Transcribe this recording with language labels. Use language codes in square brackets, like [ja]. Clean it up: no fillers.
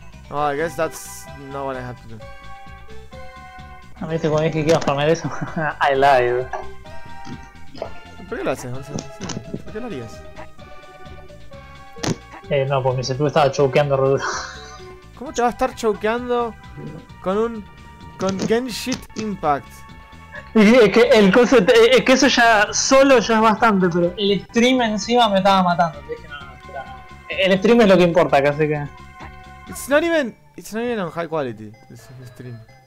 [en] Oh, I guess that's not what I have to do. [es] A mí te comí que ibas a comer eso. [en] I lied. [es] ¿Por qué lo haces, Jose? ¿Por qué lo harías? No, pues mi CPU estaba chokeando re duro. ¿Cómo te va a estar chokeando con un... con Genshin Impact? Es que eso ya... solo ya es bastante, pero el stream encima me estaba matando. Dije, no, el stream es lo que importa, casi que... [en] It's not even on high quality, this stream.